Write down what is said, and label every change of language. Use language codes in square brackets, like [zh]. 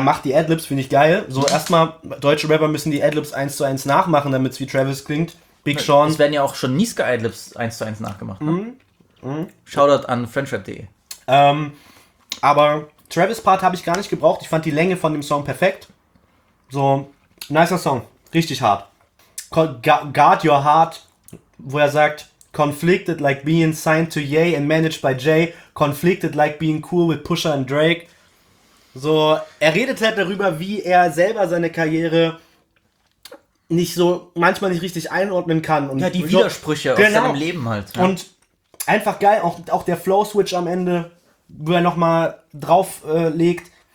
[de] macht die Adlibs, finde ich geil. So, erstmal, deutsche Rapper müssen die Adlibs eins zu eins nachmachen, damit es wie Travis klingt. Big Es Sean. werden ja auch schon Niska-Adlibs eins zu eins nachgemacht, ne? Shoutout an friendship.de. Aber Travis Part habe ich gar nicht gebraucht. Ich fand die Länge von dem Song perfekt. So, nicer Song. Richtig hart. [en] Guard Your Heart, [de] wo er sagt, [en] conflicted like being signed to Ye and managed by Jay, conflicted like being cool with Pusha and Drake. [de] So, er redet halt darüber, wie er selber seine Karriere nicht so, manchmal nicht richtig einordnen kann. Ja, die Und so, Widersprüche aus seinem genau. Leben halt. Ja. Und einfach geil, auch der Flow-Switch am Ende, wo er nochmal drauf legt.